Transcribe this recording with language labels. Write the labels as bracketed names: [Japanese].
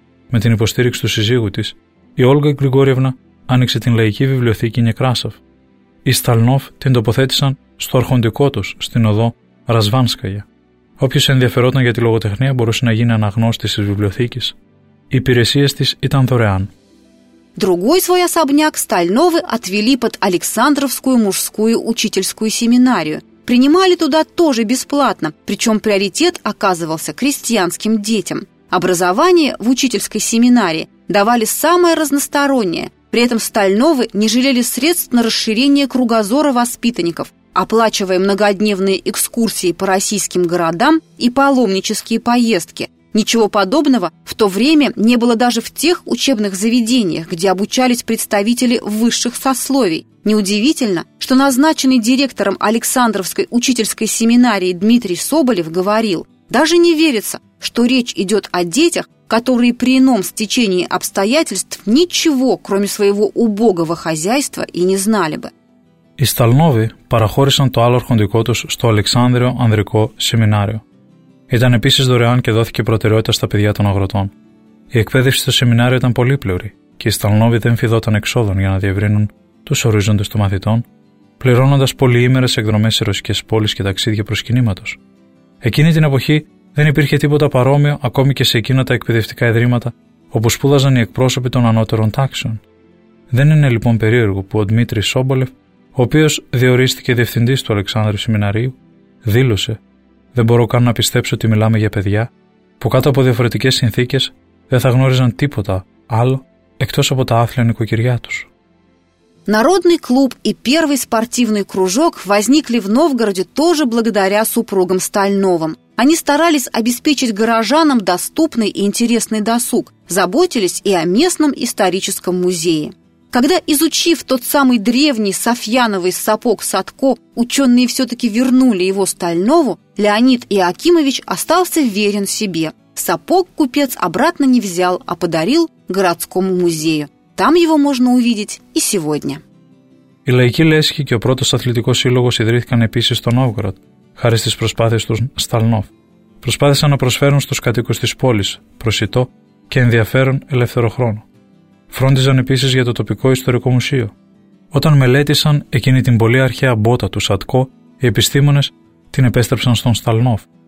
[Greek] Με την υποστήριξη του σύζυγου της, η Όλγα Γκριγόρευνα άνοιξε την Λαϊκή Βιβλιοθήκη Νεκράσοφ. Οι Στάλνοφ την τοποθέτησαν στο αρχοντικό τους, στην οδό Ρασβάνσκαγια. Όποιος ενδιαφερόταν για τη λογοτεχνία μπορούσε να γίνει αναγνώστης της βιβλιοθήκης. Οι υπηρεσίες της ήταν δωρεάν. [Russian] Другой свой особняк Стальновы отвели под Александровскую мужскую учительскую семинарию. Принимали туда тоже бесплатно, причем приоритет оказывался крестьянским детям. Образование в учительской семинарии давали самое разностороннее. При этом Стальновы не жалели средств на расширение кругозора воспитанников, оплачивая многодневные экскурсии по российским городам и паломнические поездки. Ничего подобного в то время не было даже в тех учебных заведениях, где обучались представители высших сословий. Неудивительно, что назначенный директором Александровской учительской семинарии Дмитрий Соболев говорил, даже не верится, что речь идет о детях, которые при ином стечении обстоятельств ничего, кроме своего убогого хозяйства, и не знали бы. [Greek] Οι Στάλνοφ παραχώρησαν το άλλο αρχοντικό τους στο Αλεξάνδριο Ανδρικό Σεμινάριο. Ήταν επίσης δωρεάν και δόθηκε προτεραιότητα στα παιδιά των αγροτών. Η εκπαίδευση στο σεμινάριο ήταν πολύπλευρη και οι Στάλνοφ δεν φιδόταν εξόδων για να διευρύνουν τους ορίζοντες των μαθητών, πληρώνοντας πολυήμερες εκδρομές σε ρωσικές πόλεις και ταξίδια προσκυνήματος. Εκείνη την εποχή δεν υπήρχε τίποτα παρόμοιο ακόμη και σε εκείνα τα εκπαιδευτικά ιδρύματα όπου σπούδαζαν οι εκπρόσωποι των ανώτερων τάξεων. Δεν είναι λοιπόν περίεργο που ο Δημήτρης Σόμπολεφ, ο οποίος διορίστηκε διευθυντής του Αλεξάνδρου Σεμιναρίου, δήλωσε: «Δεν μπορώ καν να πιστέψω ότι μιλάμε για παιδιά που κάτω από διαφορετικές συνθήκες δεν θα γνώριζαν τίποτα άλλο εκτός από τα άθλια νοικοκυριά τους». [Russian] Народный клуб и первый спортивный кружок возникли в Новгороде тоже благодаря супругам Стальновым. Они старались обеспечить горожанам доступный и интересный досуг, заботились и о местном историческом музее. Когда, изучив тот самый древний софьяновый сапог Садко, ученые все-таки вернули его Стальнову, Леонид Иоакимович остался верен себе. Сапог купец обратно не взял, а подарил городскому музею. Там его можно увидеть и сегодня. [Greek] Η Λαϊκή Λέσχη και ο πρώτος αθλητικός σύλλογος ιδρύθηκαν επίσης στο Νόβγορο, χάρη στις προσπάθειες του Στάλνοφ. Προσπάθησαν να προσφέρουν στους κατοίκους της πόλης προσιτό και ενδιαφέρον ελεύθερο χρόνο. Φρόντιζαν επίσης για το τοπικό ιστορικό μουσείο. Όταν μελέτησαν εκείνη την πολύ αρχαία μπότα του Σατκό, οι επιστήμονες την επέστρεψαν στον Στάλνοφ.